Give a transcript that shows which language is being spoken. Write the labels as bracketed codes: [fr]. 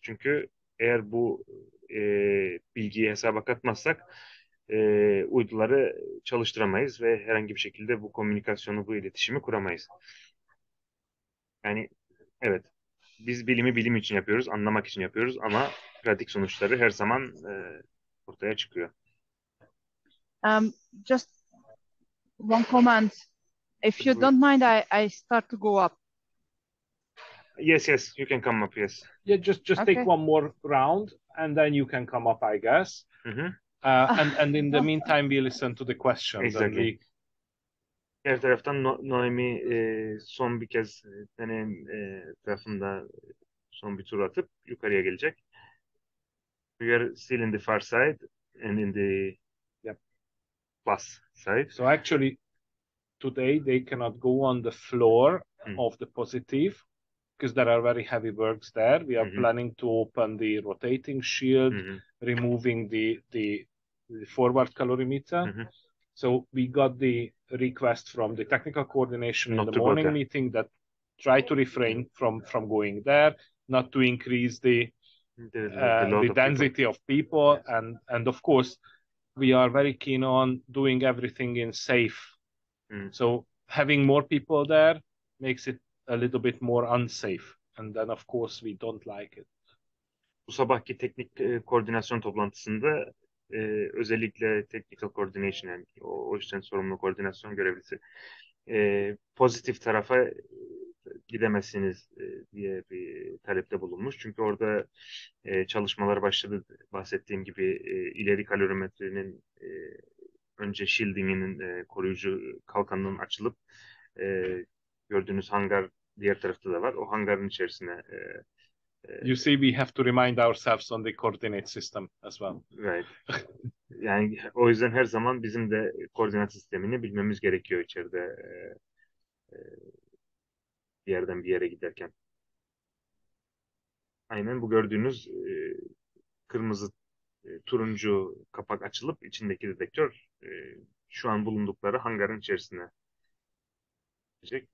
[tr] Çünkü eğer bu bilgiyi hesaba katmazsak uyduları çalıştıramayız ve herhangi bir şekilde bu komünikasyonu, bu iletişimi kuramayız. Yani evet, biz bilimi bilim için yapıyoruz, anlamak için yapıyoruz ama pratik sonuçları her zaman ortaya çıkıyor. [en] Just one comment. If you don't mind, I start to go up. Yes, you can come up, yes. Yeah, just take one more round and then you can come up, I guess. And in the meantime, we listen to the questions. Exactly. [tr] Diğer taraftan Noemi son bir kez deneyim tarafında son bir tur atıp yukarıya gelecek. [en] We are still in the far side and in the bus side. So actually, today they cannot go on the floor of the positive because there are very heavy works there. We are planning to open the rotating shield, removing the forward calorimeter. So we got the request from the technical coordination not in the morning meeting that try to refrain from going there, not to increase the density of people. Yes. And of course, we are very keen on doing everything in safe. So having more people there makes it a little bit more unsafe. And then, of course, we don't like it. [tr] Bu sabahki teknik koordinasyon toplantısında özellikle [en] technical coordination, [tr] yani o işten sorumlu koordinasyon görevlisi pozitif tarafa gidemezsiniz diye bir talepte bulunmuş. Çünkü orada çalışmalar başladı. Bahsettiğim gibi ileri kalorimetrenin önce shielding'inin koruyucu kalkanının açılıp gördüğünüz hangar diğer tarafta da var. O hangarın içerisine [en] You see, we have to remind ourselves on the coordinate system as well. Right. [tr] Yani o yüzden her zaman bizim de koordinat sistemini bilmemiz gerekiyor içeride bir yerden bir yere giderken. Aynen bu gördüğünüz kırmızı turuncu kapak açılıp içindeki detektör şu an bulundukları hangarın içerisine gidecek.